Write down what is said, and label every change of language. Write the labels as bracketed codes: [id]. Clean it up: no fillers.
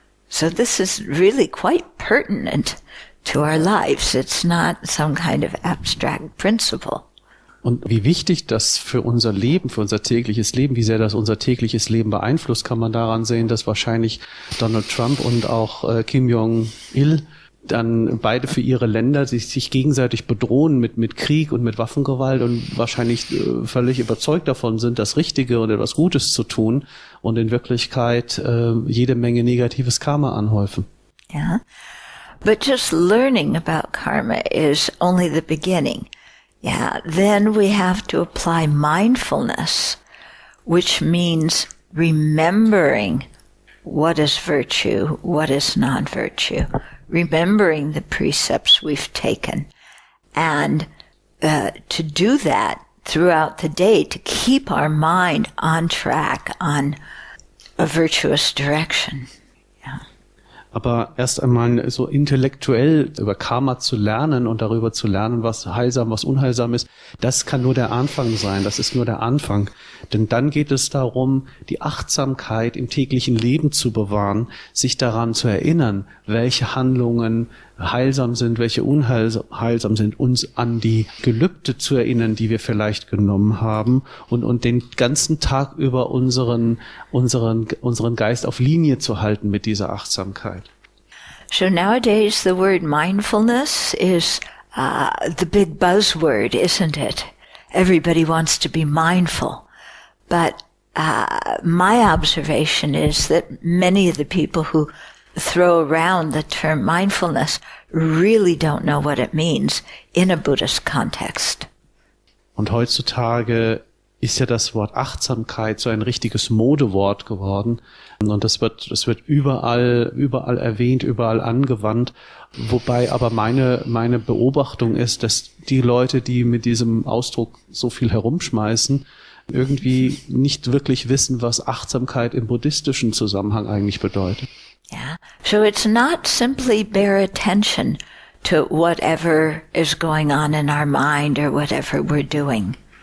[en] So this is really quite pertinent to our lives. It's not some kind of abstract principle. [de] Und wie wichtig das für unser Leben, für unser tägliches Leben, wie sehr das unser tägliches Leben beeinflusst, kann man daran sehen, dass wahrscheinlich Donald Trump und auch Kim Jong-il dann beide für ihre Länder sich gegenseitig bedrohen mit Krieg und mit Waffengewalt und wahrscheinlich völlig überzeugt davon sind, das Richtige und etwas Gutes zu tun und in Wirklichkeit jede Menge negatives Karma anhäufen. [en] Ja, but just learning about karma is only the beginning. Yeah, then we have to apply mindfulness, which means remembering what is virtue, what is non-virtue, remembering the precepts we've taken. And to do that throughout the day, to keep our mind on track, on a virtuous direction. [de] Aber erst einmal so intellektuell über Karma zu lernen und darüber zu lernen, was heilsam, was unheilsam ist, das kann nur der Anfang sein. Das ist nur der Anfang. Denn dann geht es darum, die Achtsamkeit im täglichen Leben zu bewahren, sich daran zu erinnern, welche Handlungen heilsam sind, welche unheilsam sind, uns an die Gelübde zu erinnern, die wir vielleicht genommen haben und den ganzen Tag über unseren Geist auf Linie zu halten mit dieser Achtsamkeit. [en] So nowadays the word mindfulness is the big buzzword, isn't it? Everybody wants to be mindful. But my observation is that many of the people who throw around the term mindfulness really don't know what it means in a Buddhist context. [de] Und heutzutage ist ja das Wort Achtsamkeit so ein richtiges Modewort geworden. Und das wird überall erwähnt, überall angewandt. Wobei aber meine Beobachtung ist, dass die Leute, die mit diesem Ausdruck so viel herumschmeißen, irgendwie nicht wirklich wissen, was Achtsamkeit im buddhistischen Zusammenhang eigentlich bedeutet. [en] Yeah, so it's not simply bare attention to whatever is going on in our mind or whatever we're doing.